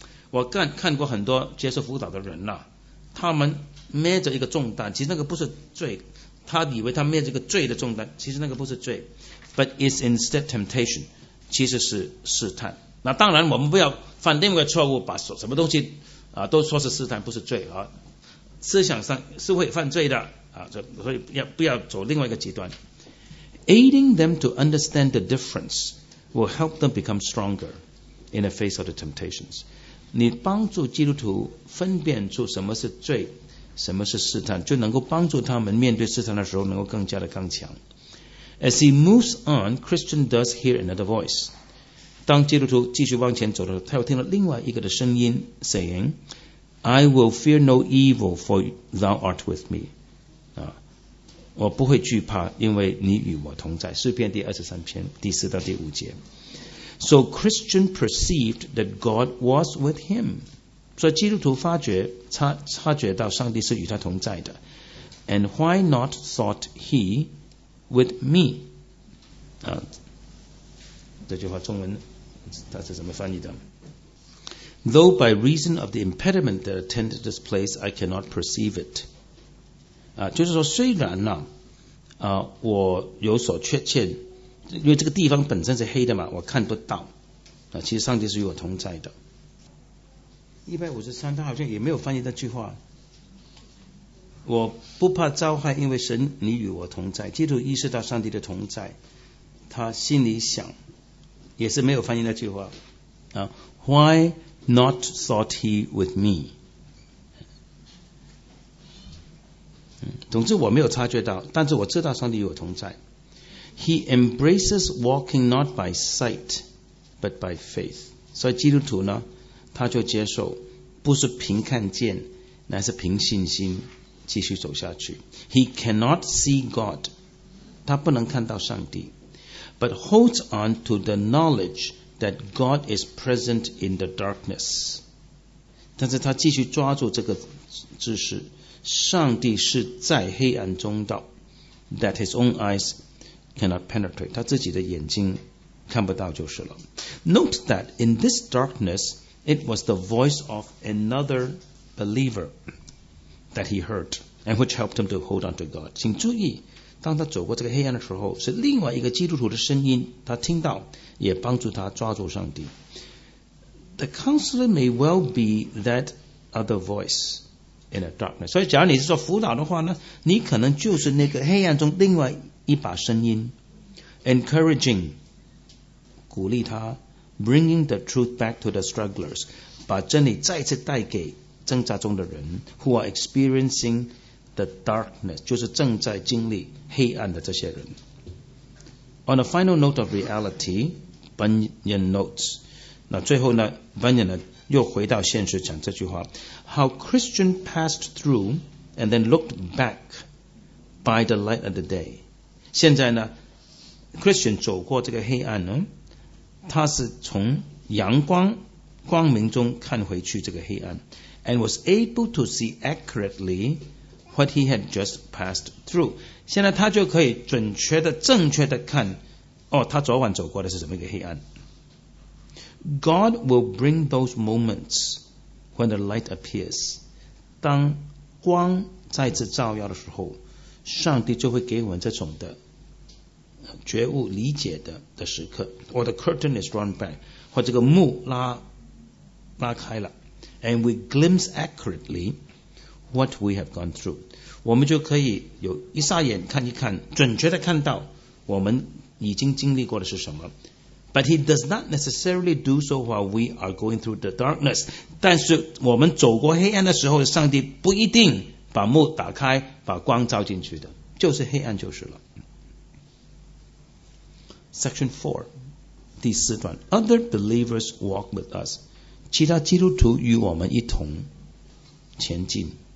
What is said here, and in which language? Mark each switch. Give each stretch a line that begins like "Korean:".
Chinese: 我看过很多接受辅导的人、他们孭着一个重担，其实那个不是罪，他以为他孭着一个罪的重担，其实那个不是罪，
English: but is instead temptation，
Chinese: 其实是试探。那当然我们不要犯另外一个错误，把什么东西、都说是试探不是罪、思想上是会犯罪的、所以要不要走另外一个极端。
English: Aiding them to understand the difference will help them become stronger in the face of the temptations，
Chinese: 你帮助基督徒分辨出什么是罪什么是试探，就能够帮助他们面对试探的时候能够更加的刚强。
English: As he moves on， Christian does hear another voice，
Chinese: 当基督徒继续往前走的时候，他又听了另外一个的声音 saying，
English: I will fear no evil for thou art with me、
Chinese: 我不会惧怕因为你与我同在，诗篇第二十三篇第四到第五节。
English: So Christian perceived that God was with him，
Chinese: 所以基督徒察觉到上帝是与他同在的。
English: And why not thought he with me、
Chinese: 这句话中文它是怎么翻译的？
English: Though by reason of the impediment that attended this place I cannot perceive it、
Chinese: 就是说虽然呢、我有所缺欠，因为这个地方本身是黑的嘛，我看不到、其实上帝是与我同在的。 153他好像也没有翻译那句话，我不怕遭害因为神你与我同在，基督意识到上帝的同在，他心里想也是没有翻译那句话、
English: Why not thought he with me、
Chinese: 总之我没有察觉到，但是我知道上帝与我同在。
English: He embraces walking not by sight but by faith，
Chinese: 所以基督徒呢他就接受不是凭看见乃是凭信心继续走下去。
English: He cannot see God，
Chinese: 他不能看到上帝，
English: But holds on to the knowledge that God is present in the darkness，
Chinese: 但是他继续抓住这个知识，上帝是在黑暗中的，
English: That his own eyes cannot penetrate，
Chinese: 他自己的眼睛看不到就是了。
English: Note that in this darknessIt was the voice of another believer that he heard and which helped him to hold on to God.
Chinese: 请注意，当他走过这个黑暗的时候，是另外一个基督徒的声音，他听到，也帮助他抓住上帝。
English: the counselor may well be that other voice in a darkness.
Chinese: 所以假如你是做辅导的话呢，你可能就是那个黑暗中另外一把声音
English: ，encouraging，
Chinese: 鼓励他
English: ，bringing the truth back to the strugglers，
Chinese: 把真理再次带给挣扎中的人，
English: who are experiencing the darkness，
Chinese: 就是正在经历黑暗的这些人。
English: On a final note of reality, Bunyan notes.
Chinese: 那最后呢 ，Bunyan 呢又回到现实讲这句话
English: ：How Christian passed through and then looked back by the light of the day.
Chinese: 现在呢 ，Christian 走过这个黑暗呢，他是从阳光光明中看回去这个黑暗
English: ，and was able to see accurately what he had just passed through.
Chinese: 现在他就可以准确的正确的看哦，他昨晚走过的是什么一个黑暗。
English: God will bring those moments when the light appears.
Chinese: 当光再次照耀的时候，上帝就会给我们这种的觉悟理解 的时刻。
English: Or the curtain is drawn back,
Chinese: 或这个幕 拉开了，
English: And we glimpse accurately what we have gone through.
Chinese: 我们就可以有一眨眼看一看，准确的看到我们已经经历过的是什么。
English: But he does not necessarily do so while we are going through the darkness.
Chinese: 但是我们走过黑暗的时候，上帝不一定把幕打开，把光照进去的，就是黑暗就是了。
English: Section 4,
Chinese: 第四段
English: ，Other believers walk with us.
Chinese: 其他基督徒与我们一同前进。